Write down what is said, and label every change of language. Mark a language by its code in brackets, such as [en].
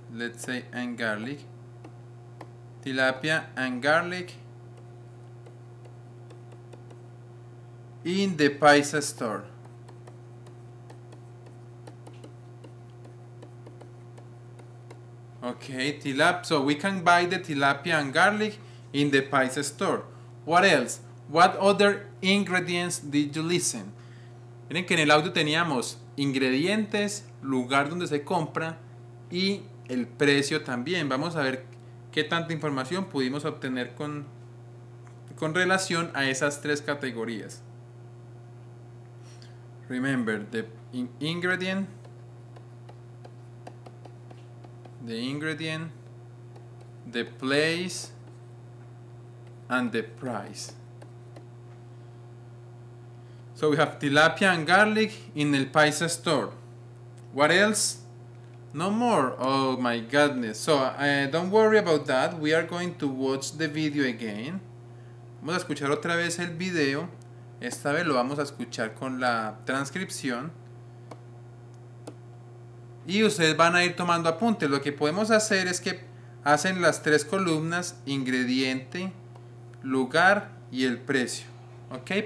[en] Let's say and garlic. Tilapia and garlic in the paisa store. Okay, so we can buy the tilapia and garlic in the paisa store. What else? What other ingredients did you listen? [es] Miren que en el audio teníamos ingredientes, lugar donde se compra y el precio también. Vamos a ver qué tanta información pudimos obtener con relación a esas tres categorías. [en] Remember, the ingredient, the place, and the price. So we have tilapia and garlic in el paisa store. What else? No more. Oh my goodness. So don't worry about that. We are going to watch the video again. [es] Vamos a escuchar otra vez el video. Esta vez lo vamos a escuchar con la transcripción. Y ustedes van a ir tomando apuntes. Lo que podemos hacer es que hacen las tres columnas: ingrediente, lugar y el precio. ¿Ok?